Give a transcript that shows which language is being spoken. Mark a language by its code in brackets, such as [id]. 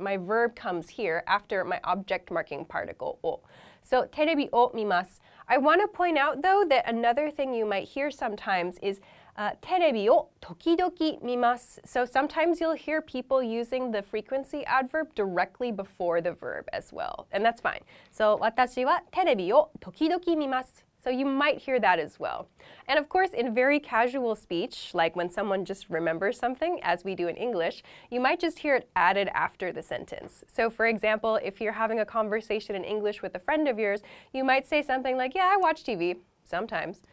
[en] My verb comes here after my object marking particle o. [ja] So terebi o mimasu. [en] I want to point out though that another thing you might hear sometimes is [ja] terebi o tokidoki mimasu. [en] So sometimes you'll hear people using the frequency adverb directly before the verb as well. And that's fine. [ja] So 私はテレビを時々見ます. [en] So you might hear that as well. And of course, in very casual speech, like when someone just remembers something, as we do in English, you might just hear it added after the sentence. So for example, if you're having a conversation in English with a friend of yours, you might say something like, yeah, I watch TV. Sometimes.